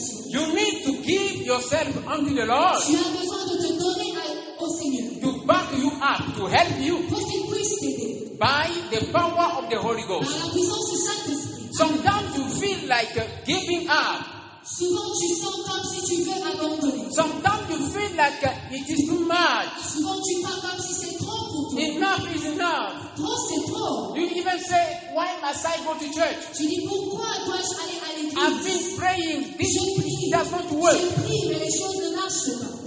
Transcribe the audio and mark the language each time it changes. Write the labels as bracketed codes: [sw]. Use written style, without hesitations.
[en] you need to give yourself unto the Lord. [fr] Tu as besoin de te donner au Seigneur. [en] To back you up, to help you. [fr] Pour qu'il puisse t'aider. [en] By the power of the Holy Ghost. [fr] Par la puissance du Saint-Esprit. [en] Sometimes you feel like giving up. [fr] Souvent tu sens comme si tu veux abandonner. [en] Sometimes you feel like it is too much. [fr] Souvent tu parles comme si c'est trop pour toi. [en] Enough is enough. [fr] Trop, c'est trop. [en] You even say, why must I go to church? [fr] Tu dis, pourquoi dois-je aller à l'église? [en] I've been praying. This does not work. [fr] J'ai prié, mais les choses ne marchent pas.